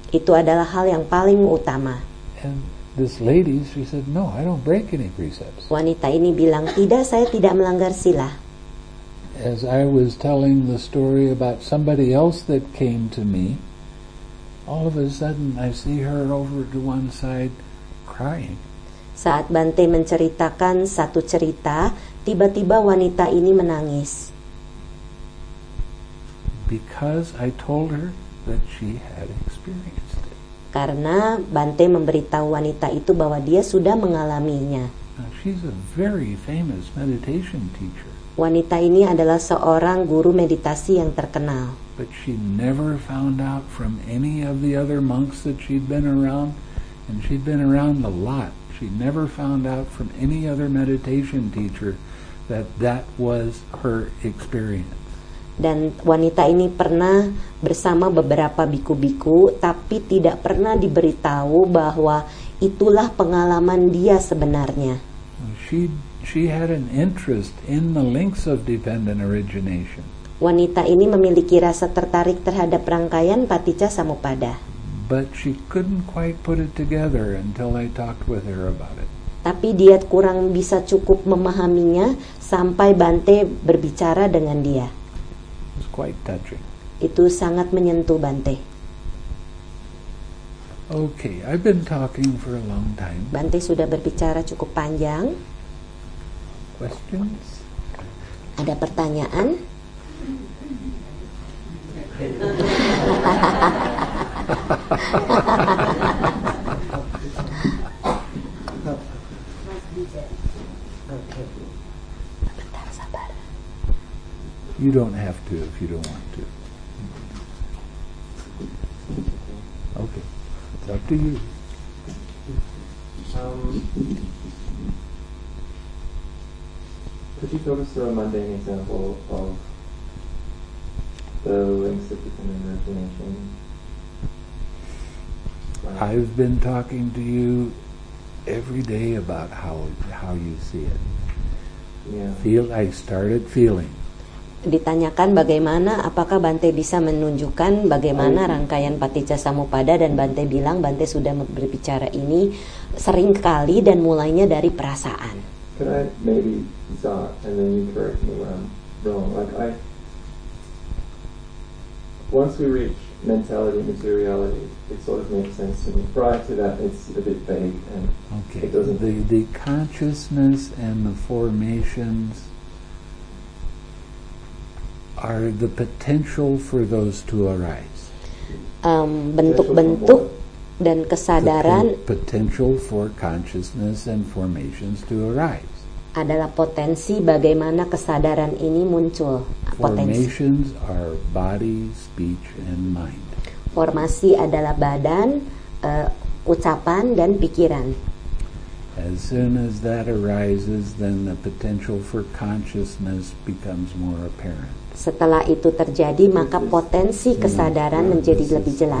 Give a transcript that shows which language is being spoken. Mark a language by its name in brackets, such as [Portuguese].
[Indonesian] Itu adalah hal yang paling utama. [English] And this lady, she said, no, I don't break any precepts. [Indonesian] Wanita ini bilang, tidak, saya tidak melanggar sila. [English] As I was telling the story about somebody else that came to me, all of a sudden I see her over to one side crying. [Indonesian] Saat Bante menceritakan satu cerita, tiba-tiba wanita ini menangis. [English] Because I told her that she had experience. [Indonesian] Karena Bante memberitahu wanita itu bahwa dia sudah mengalaminya. [English] She's a very famous meditation teacher. [Indonesian] Wanita ini adalah seorang guru meditasi yang terkenal. [English] But she never found out from any of the other monks that she'd been around, and she'd been around a lot. She never found out from any other meditation teacher that was her experience. [Indonesian] Dan wanita ini pernah bersama beberapa biku-biku, tapi tidak pernah diberitahu bahwa itulah pengalaman dia sebenarnya. [English] She had an interest in the links of dependent origination. [Indonesian] Wanita ini memiliki rasa tertarik terhadap rangkaian Paticca-samuppada. [English] But she couldn't quite put it together until I talked with her about it. [Indonesian] Tapi dia kurang bisa cukup memahaminya sampai Bante berbicara dengan dia. [English] Quite touching. [Indonesian] Itu sangat menyentuh Bante. [English] Okay, I've been talking for a long time. [Indonesian] Bante sudah berbicara cukup panjang. [English] Questions? [Indonesian] Ada pertanyaan? Okay. Bentar, sabar. [English] You don't have to if you don't want to. Okay. It's up to you. Could you go through a mundane example of the links that become in imagination? I've been talking to you every day about how you see it. Yeah. I started feeling. [Indonesian] Ditanyakan bagaimana, apakah Bante bisa menunjukkan bagaimana rangkaian paticcasamuppada, dan Bante bilang Bante sudah berbicara ini sering kali dan mulainya dari perasaan. [English] Can I maybe start and then you correct me when I'm wrong? Once we reach mentality and materiality, it sort of makes sense to me. Prior to that, it's a bit vague and okay. It doesn't. The consciousness and the formations are the potential for those to arise. [Indonesian] Bentuk-bentuk dan kesadaran, [English] the potential for consciousness and formations to arise, [Indonesian] adalah potensi bagaimana kesadaran ini muncul. [English] Formations are body, speech, and mind. [Indonesian] Formasi adalah badan, ucapan, dan pikiran. [English] As soon as that arises, then the potential for consciousness becomes more apparent. [Indonesian] Setelah itu terjadi, maka potensi kesadaran menjadi lebih jelas.